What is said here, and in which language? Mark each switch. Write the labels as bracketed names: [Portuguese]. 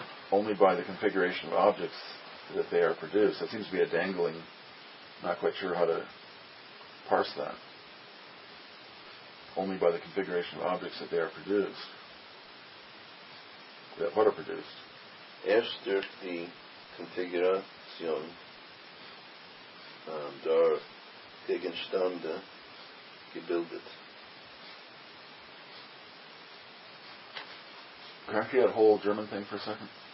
[English] Only by the configuration of objects that they are produced. That seems to be a dangling, not quite sure how to parse that. Only by the configuration of objects that they are produced. That what are produced? [German] Erst durch die Konfiguration der Gegenstände gebildet. [English] Can I see that whole German thing for a second?